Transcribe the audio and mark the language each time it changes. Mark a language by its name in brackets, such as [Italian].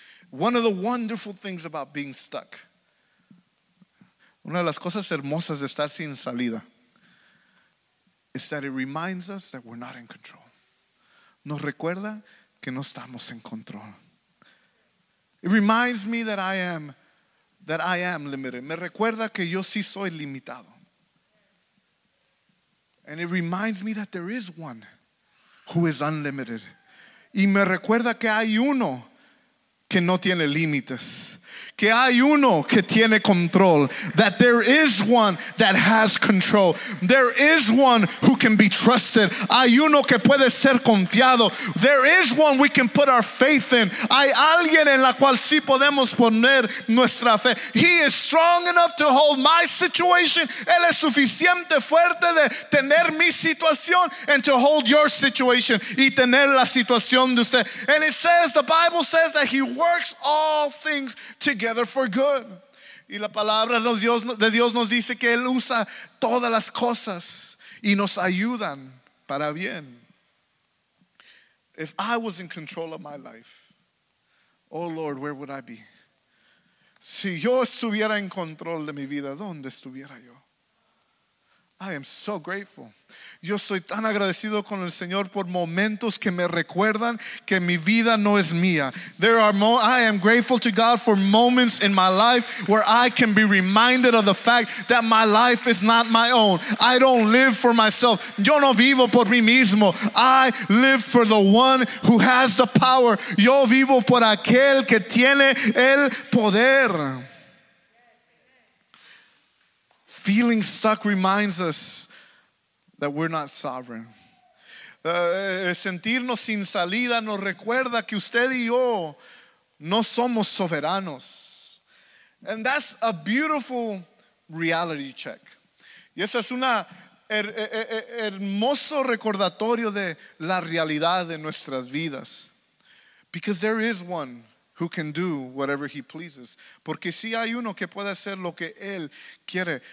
[English] One of the wonderful things about being stuck. [Spanish] Una de las cosas hermosas de estar sin salida [English] is that it reminds us that we're not in control. [Spanish] Nos recuerda que no estamos en control. [English] It reminds me that I am limited. [Spanish] Me recuerda que yo sí soy limitado. [English] And it reminds me that there is one who is unlimited. [Spanish] Y me recuerda que hay uno que no tiene límites. Que hay uno que tiene control. [English] That there is one that has control. There is one who can be trusted. [Spanish] Hay uno que puede ser confiado. [English] There is one we can put our faith in. [Spanish] Hay alguien en la cual sí podemos poner nuestra fe. [English] He is strong enough to hold my situation. [Spanish] Él es suficiente fuerte de tener mi situación [English] and to hold your situation. [Spanish] Y tener la situación de usted. [English] And it says, the Bible says that he works all things together for good. [Spanish] Y la palabra de Dios nos dice que él usa todas las cosas y nos ayudan para bien. [English] If I was in control of my life, oh Lord, where would I be? [Spanish] Si yo estuviera en control de mi vida, ¿dónde estuviera yo? [English] I am so grateful. [Spanish] Yo soy tan agradecido con el Señor por momentos que me recuerdan que mi vida no es mía. [English] I am grateful to God for moments in my life where I can be reminded of the fact that my life is not my own. I don't live for myself. [Spanish] Yo no vivo por mí mismo. [English] I live for the one who has the power. [Spanish] Yo vivo por aquel que tiene el poder. [English] Feeling stuck reminds us that we're not sovereign. [Spanish] Sentirnos sin salida nos recuerda que usted y yo no somos soberanos. [English] And that's a beautiful reality check. [Spanish] Y esa es una hermoso recordatorio de la realidad de nuestras vidas. [English] Because there is one who can do whatever he pleases. [Spanish] Porque si hay uno que puede hacer lo que él quiere.